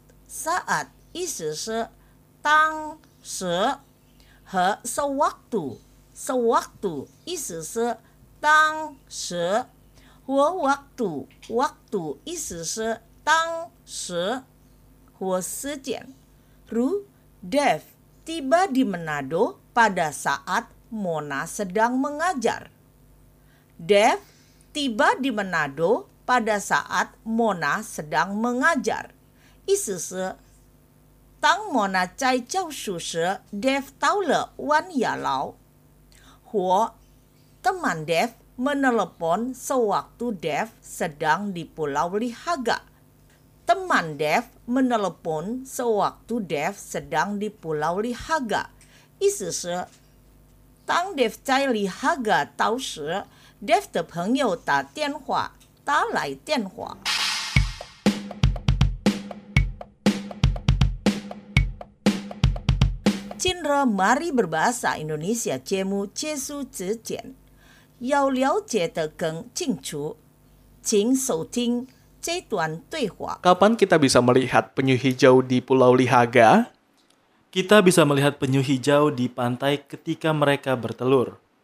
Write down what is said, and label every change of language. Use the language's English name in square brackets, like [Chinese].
[Chinese] saat 意思是当时，和 sewaktu。 sewaktu 意思是当时，或 waktu。 waktu 意思是当时或时间。 [Indonesian] 如 Dev tiba di Manado pada saat Mona sedang mengajar. Dev tiba di Manado pada saat Mona sedang mengajar. [Chinese] 意思是当 Mona 在教书时 ，Dev 到了万亚楼。 [Indonesian] 或 teman Dev menelepon sewaktu Dev sedang di Pulau Lihaga. Teman Dev menelepon sewaktu Dev sedang di Pulau Lihaga. [Chinese] 意思是当 Dev 在 Lihaga 到时， Dev 的朋友打电话，打来电话。今日 Mari berbahasa Indonesia 节目结束之前，要了解的更清楚，请收听这段对话。 [Indonesian] Kapan kita bisa melihat penyu hijau di Pulau Lihaga? Kita bisa melihat penyu hijau di pantai ketika mereka bertelur.